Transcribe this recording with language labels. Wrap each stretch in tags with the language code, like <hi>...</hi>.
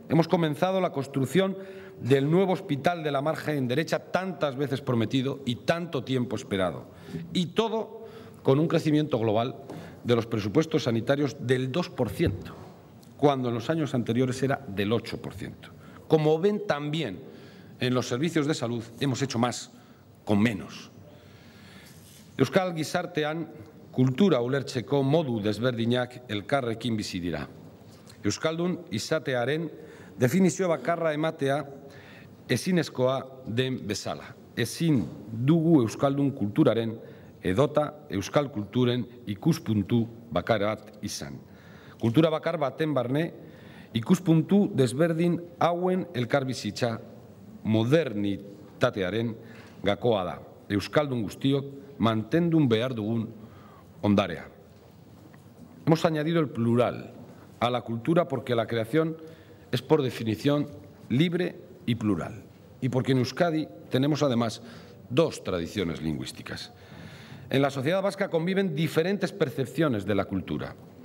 <es>Hemos comenzado la construcción del nuevo hospital de la margen derecha, tantas veces prometido y tanto tiempo esperado. Y todo con un crecimiento global de los presupuestos sanitarios del 2%, cuando en los años anteriores era del 8%. Como ven, también en los servicios de salud hemos hecho más con menos.</es> <eu>Euskal Gizartean, kultura ulertzeko modu desberdinak elkarrekin bizi dira. Euskaldun izatearen definizio bakarra ematea ezinezkoa den bezala. Ezin dugu Euskaldun kulturaren edota Euskal kulturen ikuspuntu bakar bat izan. Kultura bakar baten barne ikuspuntu desberdin hauen elkarbizitza modernitatearen gakoa da. Euskaldun guztiok mantendun behar dugun ondarea.</eu> <es>Hemos añadido el plural a la cultura porque la creación es por definición libre y plural. Y porque en Euskadi tenemos además dos tradiciones lingüísticas. En la sociedad vasca conviven diferentes percepciones de la cultura.</es>